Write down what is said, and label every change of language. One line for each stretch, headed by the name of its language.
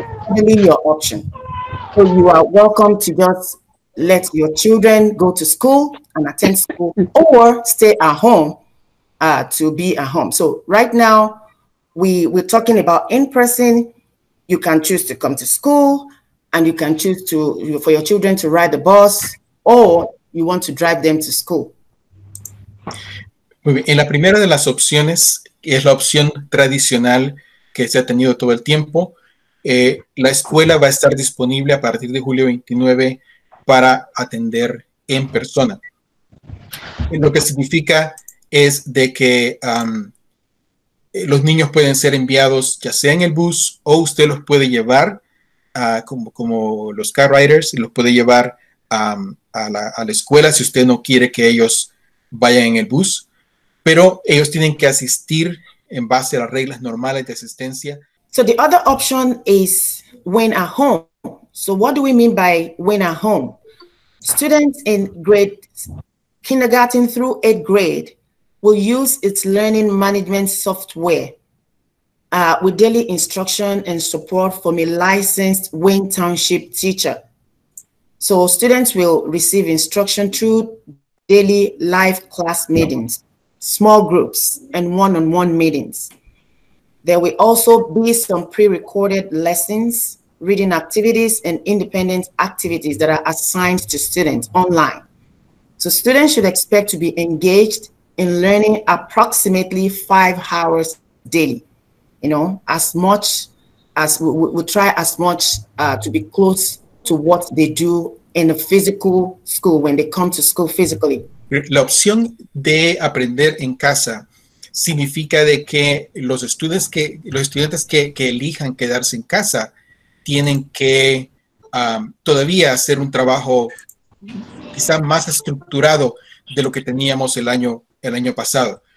English: Really your option. So you are welcome to just let your children go to school and attend school, or stay at home to be at home. So right now, we're talking about in-person. You can choose to come to school, and you can choose to for your children to ride the bus, or you want to drive them to school.
Spanish: Muy bien. En la primera de las opciones, que es la opción tradicional que se ha tenido todo el tiempo, la escuela va a estar disponible a partir de julio 29 para atender en persona. Lo que significa es de que los niños pueden ser enviados ya sea en el bus, o usted los puede llevar, como los
English: car riders,
Spanish: y los puede llevar a la escuela si usted no quiere que ellos vayan en el bus, pero ellos tienen que asistir en base a las reglas normales de asistencia.
English: So the other option is when at home. So what do we mean by when at home? Students in grade kindergarten through eighth grade will use its learning management software with daily instruction and support from a licensed Wayne Township teacher. So students will receive instruction through daily live class meetings, small groups, and one-on-one meetings. There will also be some pre-recorded lessons, reading activities, and independent activities that are assigned to students online. So students should expect to be engaged in learning approximately 5 hours daily. You know, as much as we try as much to be close to what they do in a physical school when they come to school physically.
Spanish: La opción de aprender en casa significa de que los estudiantes que elijan quedarse en casa tienen que todavía hacer un trabajo quizá más estructurado de lo que teníamos el año pasado.